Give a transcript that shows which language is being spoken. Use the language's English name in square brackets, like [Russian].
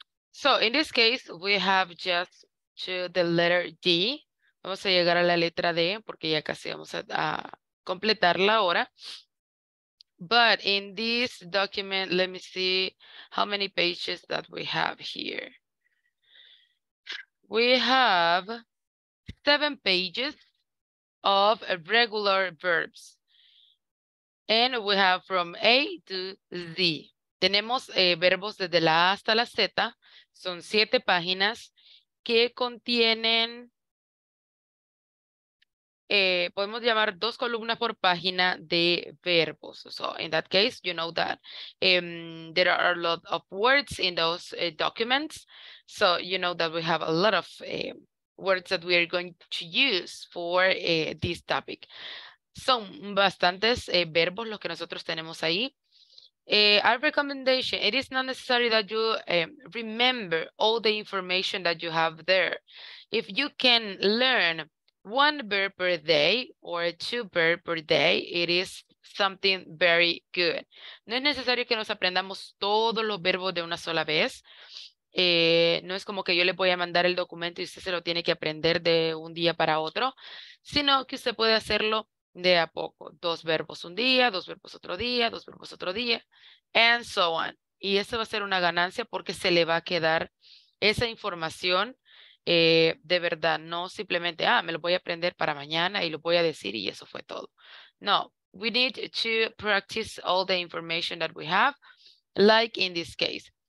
[English] So, in this case, we have just to the letter D. [Spanish] Vamos a llegar a la letra D porque ya casi vamos a completar la hora. [English] But in this document, let me see how many pages that we have here. We have 7 pages of regular verbs. And we have from A to Z. [Spanish] Tenemos verbos desde la A hasta la Z. Son 7 páginas que contienen, podemos llamar 2 columnas por página de verbos. [English] So in that case, you know that there are a lot of words in those documents. So you know that we have a lot of words that we are going to use for this topic. [Spanish] Son bastantes verbos los que nosotros tenemos ahí. [English] Our recommendation, it is not necessary that you remember all the information that you have there. If you can learn one verb per day or two verbs per day, it is something very good. [Spanish] No es necesario que nos aprendamos todos los verbos de una sola vez. No es como que yo le voy a mandar el documento y usted se lo tiene que aprender de un día para otro, sino que usted puede hacerlo de a poco. Dos verbos un día, dos verbos otro día, dos verbos otro día, [English] and so on. [Spanish] Y eso va a ser una ganancia porque se le va a quedar esa información de verdad. No simplemente, me lo voy a aprender para mañana y lo voy a decir y eso fue todo. [English] No, we need to practice all the information that we have, like in this case.